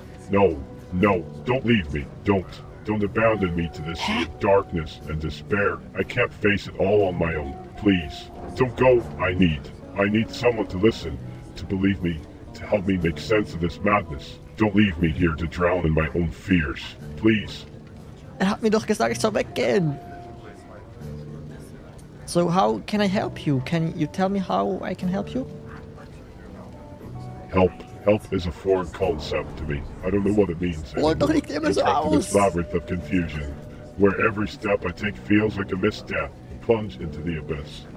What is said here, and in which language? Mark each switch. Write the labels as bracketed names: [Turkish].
[English] No, don't leave me. Don't abandon me to this sea of darkness and despair. I can't face it all on my own. Please, don't go. I need someone to listen, to believe me, to help me make sense of this madness. Don't leave me here to drown in my own fears. Please. [German] Er hat mir doch gesagt, ich soll weggehen. [English] So how can I help you? Can you tell me how I can help you? Help is a foreign concept to me. I don't know what it means. I'm trapped in this labyrinth of confusion, where every step I take feels like a misstep, a plunge into the abyss.